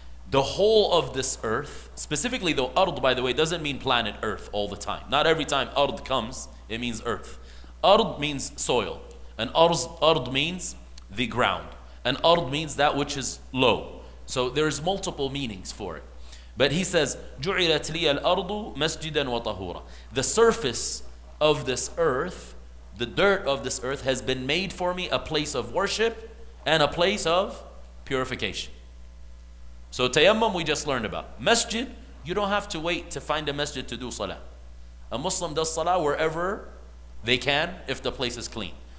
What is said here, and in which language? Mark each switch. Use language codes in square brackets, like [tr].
[en] The whole of this earth, specifically the أرض, by the way, doesn't mean planet earth all the time. Not every time أرض comes, it means earth. أرض means soil. And أرض means the ground. And أرض means that which is low. So there's multiple meanings for it. But he says, [ar] جُعِلَتْ لِيَ الْأَرْضُ مَسْجِدًا وَطَهُورًا. [en] The surface of this earth, the dirt of this earth, has been made for me a place of worship and a place of purification. So tayammum we just learned about. Masjid, you don't have to wait to find a masjid to do salah. A Muslim does salah wherever they can if the place is clean.